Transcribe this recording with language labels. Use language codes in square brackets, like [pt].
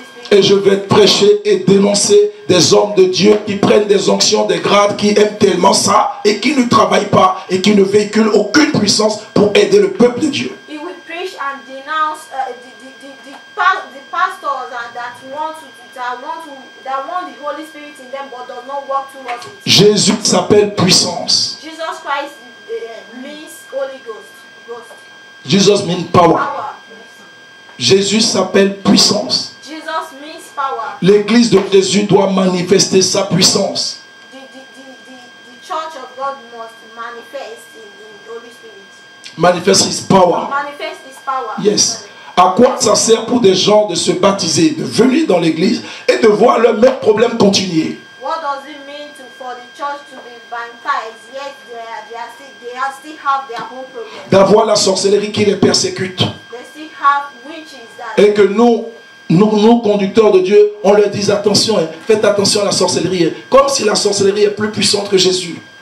[fr] Et je vais prêcher et dénoncer des hommes de Dieu qui prennent des onctions, des grades, qui aiment tellement ça et qui ne travaillent pas et qui ne véhiculent aucune puissance pour aider le peuple de Dieu. [en] He will preach and denounce the pastors that want the Holy Spirit in them but does not work towards it. [fr] Jésus s'appelle puissance. [en] Jesus Christ means Holy Ghost. Jesus means power. [fr] Jésus s'appelle puissance. [en] Jesus means power. [fr] L'église de Jésus doit manifester sa puissance. [en] The church of God must manifest in the Holy Spirit. manifest his power. Manifest his power. Yes. [fr] À quoi ça sert pour des gens de se baptiser, de venir dans l'église et de voir leur même problème continuer? [en] What does it mean to, for the church to be baptized yet they still have their own problem? [fr] D'avoir la sorcellerie qui les persécute. [en] They still have witches that. [fr] Et que nous, conducteurs de Dieu, on leur dit attention, faites attention à la sorcellerie, comme si la sorcellerie est plus puissante que Jésus.